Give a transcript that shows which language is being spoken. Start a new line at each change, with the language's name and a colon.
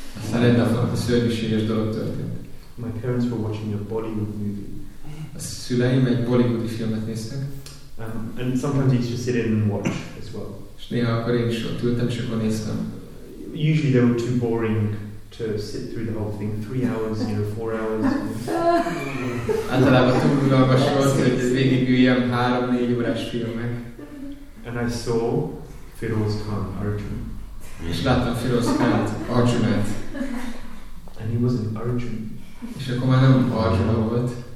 Hungarian: mindennapnak a szörnyűséges dolog történt.
English: My parents were watching a Bollywood movie.
Hungarian: A szüleim egy bollywoodi filmet néztek.
English: And sometimes you just sit in and watch as well.
Hungarian: És néha akkor én is ott ültem, és akkor néztem.
English: Usually they were too boring to sit through the whole thing. 3 hours, you know, 4 hours.
Hungarian: Általában túl unalmas volt, hogy végig üljem 3-4 órás filmek.
English: And I saw Firoz Khan, Arjun.
Hungarian: És láttam Firoz Khan-t, Arjun-t.
English: And he wasn't Arjun.
Hungarian: És akkor már nem Arjun volt.